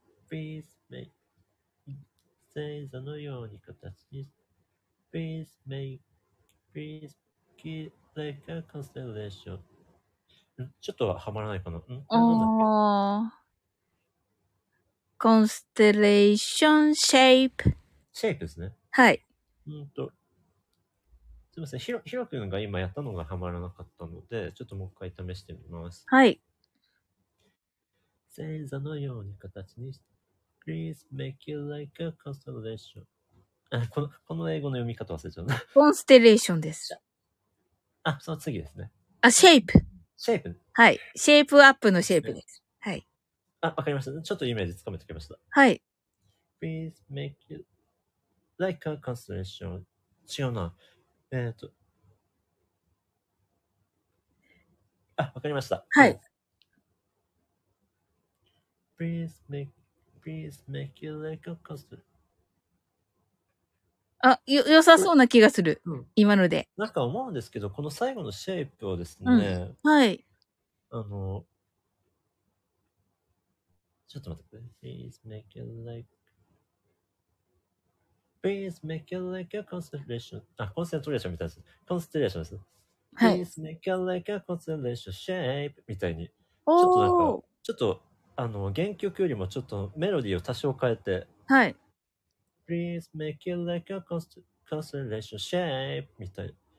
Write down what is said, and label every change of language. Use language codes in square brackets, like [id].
[en] Please make [ja] 星座のように形に。 [en] Please make it like a constellation. [ja] ちょっとははまらないかな。ああ。コンステレーションシェイプ。シェイプですね。はい。すみません。ヒロ君が今やったのがハマらなかったので、ちょっともう一回試してみます。はい。星座のように形にして。 [en] Please make it like a constellation. [ja] この英語の読み方忘れちゃうな。コンステレーションです。あ、その次ですね。あ、シェイプ。シェイプ。はい。シェイプアップのシェイプです。はい。あ、わかりました。ちょっとイメージつかめてきました。はい。 [en] Please make it like a constellation. [ja] 違うな。あ、わかりました。はい。 [en] Please make you like a coaster。 [ja] あ、良さそうな気がする、うん、今ので。なんか思うんですけど、この最後のシェイプをですね、うん、はい、あの、ちょっと待って、 [en] Please make you like、 Please make you like a constellation。 [ja] あ、コンステレーションみたいです、コンステレーションです。はい、 [en] Please make you like a constellation shape [ja] みたいに、おー、ちょっとなんか、ちょっとあの原曲よりもちょっとメロディーを多少変えて、はい、 [en] Please make it like a constellation shape [ja] みたい、